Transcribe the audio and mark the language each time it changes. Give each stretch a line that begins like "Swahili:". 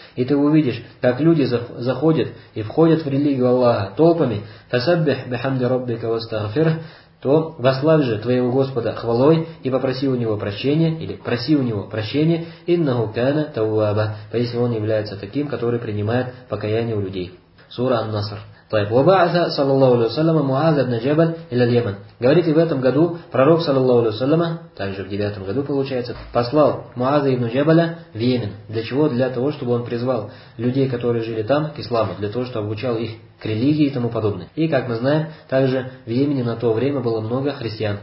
Russian: И ты увидишь, как люди заходят и входят в религию Аллаха толпами,
Arabic: фасаббих бихамди раббика вастагфир,
Russian: то вославь же твоего Господа хвалой и попроси у него прощения, или проси у него прощения,
Arabic: иннаху кана тавваба,
Russian: поистине он является таким, который принимает покаяние у людей. Сура Ан-Наср.
Arabic: طيب وبعث صلى الله عليه وسلم معاذ بن جبل الى اليمن.
Russian: Говорит, и в этом году пророк صلى الله عليه وسلم, также в 9 году получается, послал Муаза ибн Джабаля в Йемен. Для чего? Для того, чтобы он призвал людей, которые жили там, к исламу, для того, чтобы обучал их к религии и тому подобное. И как мы знаем, также в Йемене на то время было много христиан.